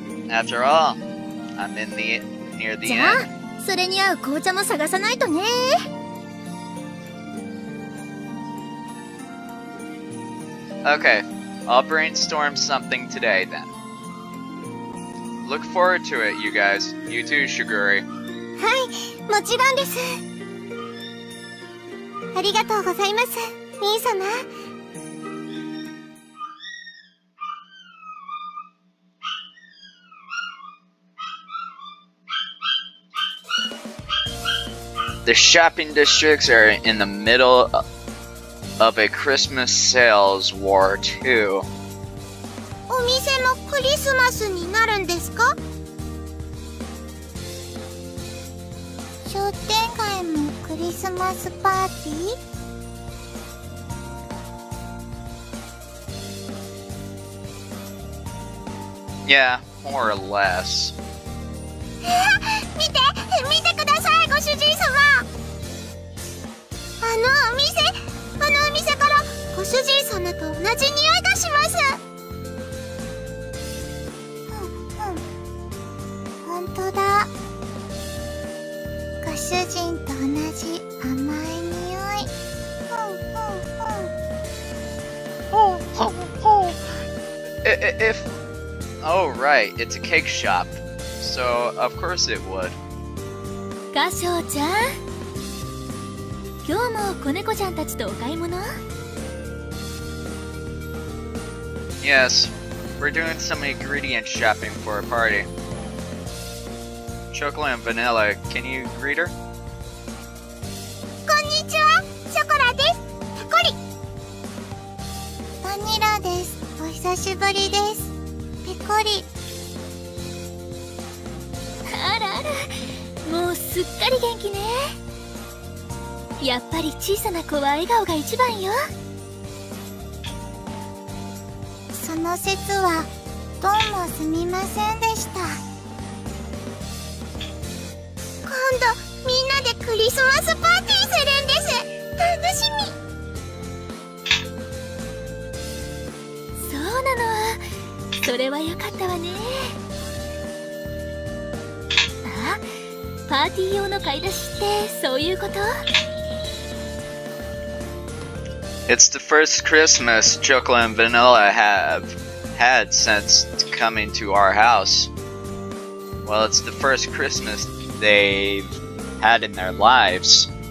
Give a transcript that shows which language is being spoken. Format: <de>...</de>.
<en>After all, I'm in the near the end.</en> <ja>じゃあ、それに合う紅茶も探さないとね。</ja> <en>Okay, I'll brainstorm something today then. Look forward to it, you guys. You too, Shiguri.</en> <ja>はい、もちろんです。ありがとうございます、兄様。</ja> <en>The shopping districts are in the middle of a Christmas sales war, too.</en> <ja>お店もクリスマスになるんですか？商店街もクリスマスパーティー？</ja> <en>Yeah, more or less.</en> <ja>見て、見てください、ご主人様。あのお店、あのお店からご主人様と同じ匂いがします。本当だ。ご主人と同じ甘い匂い。ほうほうほう。</ja> <en>ほうほうほう。If... Oh, right. It's a cake shop. So, of course it would.</en> <ja>カショウちゃん。今日も子猫ちゃんたちとお買い物？</ja> <en>Yes. We're doing some ingredient shopping for a party. Chocolate and vanilla. Can you greet her?</en> <ja>こんにちは、ショコラです。タコリ。バニラです。お久しぶりです。ペコリ。あらあら、もうすっかり元気ね。やっぱり小さな子は笑顔が一番よ。その説はどうもすみませんでした。今度、みんなでクリスマスパーティーするんです。楽しみ。そうなの、それはよかったわね。あ、パーティー用の買い出しってそういうこと？</ja> <en>It's the first Christmas Chocolate and Vanilla have had since coming to our house. Well, it's the first Christmasthey've had in their lives.</en>